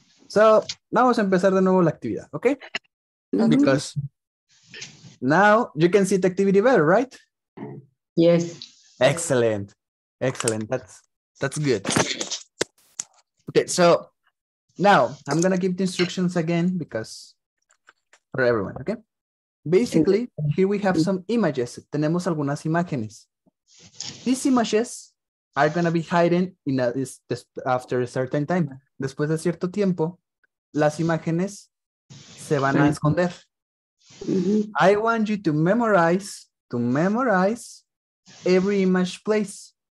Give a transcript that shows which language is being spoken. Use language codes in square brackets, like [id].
[es] So vamos a empezar de nuevo la actividad, ¿ok? [en] Because now you can see the activity better, right? Yes. Excellent. Excellent. That's good. Okay, so now I'm gonna give the instructions again because for everyone, okay? Basically, here we have some images. [es] Tenemos algunas imágenes. [en] These images are gonna be hidden in a, after a certain time. [es] Después de cierto tiempo, las imágenes se van a esconder. [en] I want you to memorize every image place.